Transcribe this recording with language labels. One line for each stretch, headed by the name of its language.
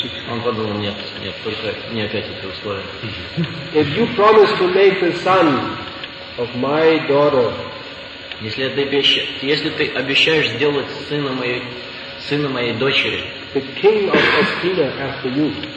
Russian: Он подумал, нет, только не опять эти условия.
English: If you promise to make the son of my daughter.
Russian: Если ты обещаешь сделать сына моей дочери,
English: the king of Hastina after you,